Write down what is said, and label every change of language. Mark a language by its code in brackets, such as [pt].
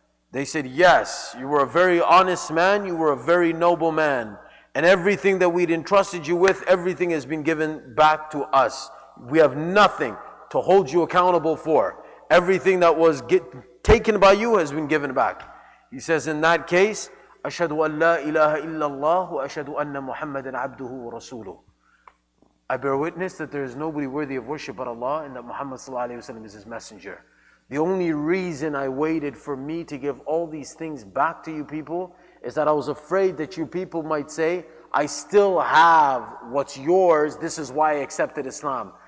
[en] They said, "Yes, you were a very honest man, you were a very noble man. And everything that we'd entrusted you with, everything has been given back to us. We have nothing to hold you accountable for. Everything that was taken by you has been given back." He says, "In that case, [ar] أشهد أن لا إله إلا الله وأشهد أن محمد عبده ورسوله." [en] I bear witness that there is nobody worthy of worship but Allah and that Muhammad sallallahu alayhi wa sallam is his messenger. The only reason I waited for me to give all these things back to you people is that I was afraid that you people might say, "I still have what's yours. This is why I accepted Islam.